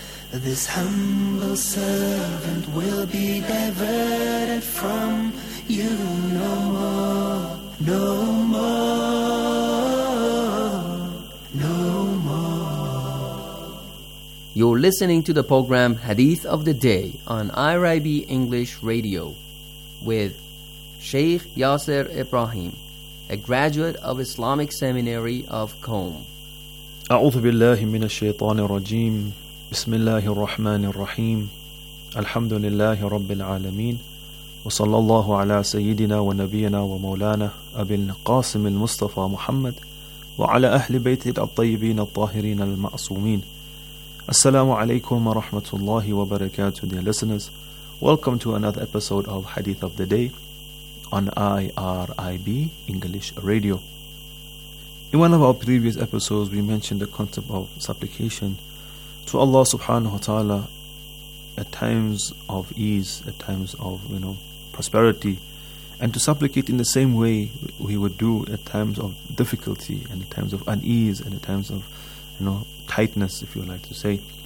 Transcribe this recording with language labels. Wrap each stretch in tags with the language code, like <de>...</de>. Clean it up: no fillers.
<en>This humble servant will be diverted from you no more, no more, no more. You're listening to the program Hadith of the Day on IRIB English Radio with Sheikh Yasser Ibrahim, a graduate of Islamic Seminary of Qom.</en> <ar>أعوذ بالله من الشيطان الرجيم بسم الله الرحمن الرحيم الحمد لله رب العالمين وصلى الله على سيدنا ونبينا ومولانا أبي القاسم المصطفى محمد وعلى أهل بيته الطيبين الطاهرين المعصومين السلام عليكم ورحمة الله وبركاته.</ar> <en>Dear listeners, welcome to another episode of Hadith of the Day on IRIB English Radio. In one of our previous episodes, we mentioned the concept of supplication to Allah subhanahu wa ta'ala at times of ease, at times of, you know, prosperity, and to supplicate in the same way we would do at times of difficulty and at times of unease and at times of, you know, tightness, if you like to say.</en>